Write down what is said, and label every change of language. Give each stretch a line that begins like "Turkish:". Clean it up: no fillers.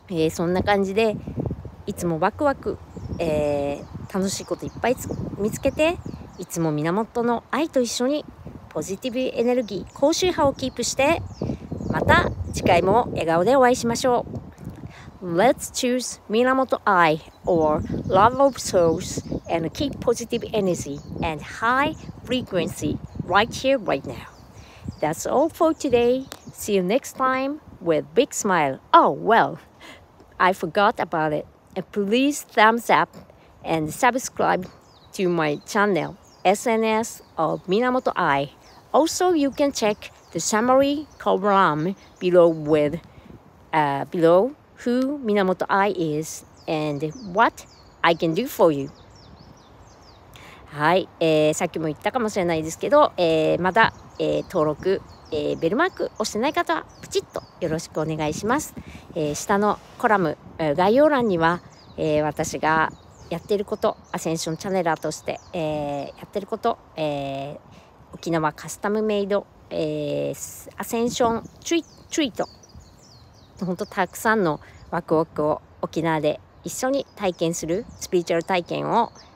Japanese: そんな感じでいつもワクワク、楽しいこといっぱい見つけて、いつも源の愛と一緒にポジティブエネルギー高周波をキープして、また次回も笑顔でお会いしましょう。
English: Let's choose 源 I or love of souls and keep positive energy and high frequency right here right now. That's all for today. See you next time with big smile. Oh wellI forgot about it. And please thumbs up and subscribe to my channel. SNS of Minamoto Ai. Also, you can check the summary column below with below who Minamoto Ai is and what I can do for you.
Japanese: はい、さっきも言ったかもしれないですけど、まだ、登録、ベルマーク押してない方はプチッとよろしくお願いします、下のコラム、概要欄には、私がやってることアセンションチャネラーとして、やってること、沖縄カスタムメイド、アセンションチュイト本当たくさんのワクワクを沖縄で一緒に体験するスピリチュアル体験を、